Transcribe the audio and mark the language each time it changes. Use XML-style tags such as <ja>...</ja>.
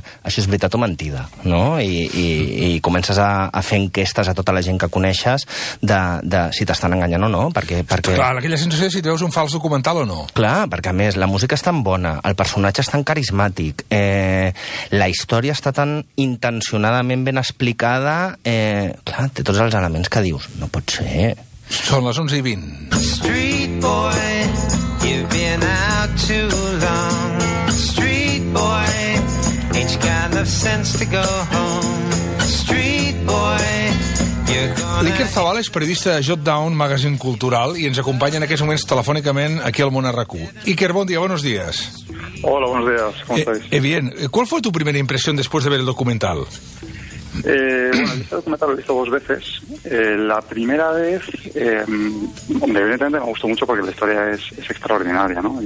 <ca>Això és veritat o mentida, no? I comences a fer enquestes a tota la gent que coneixes de si t'estan enganyant o no, perquè... Clar, aquella sensació de si veus un fals documental o no. Clar, perquè a més, la música és tan bona, el personatge és tan carismàtic, la història està tan intencionadament ben explicada, clar, té tots els elements que dius, no pot ser... Són les 11:20.</ca> <en>Street boy, you've been out too long. Street boy, ain't you got enough sense to go home. Street boy, you're gonna...</en> <ca>L'Iker Zabala és periodista de Jotdown, magazine cultural, i ens acompanya en aquests moments telefònicament aquí al Món RQ. Iker, bon dia,</ca> <es>buenos días. Hola, buenos días, ¿cómo estáis? Bien. ¿Cuál fue tu primera impresión después de ver el documental? Bueno, el documental lo he visto dos veces. La primera vez, evidentemente me gustó mucho porque la historia es extraordinaria, ¿no?</es>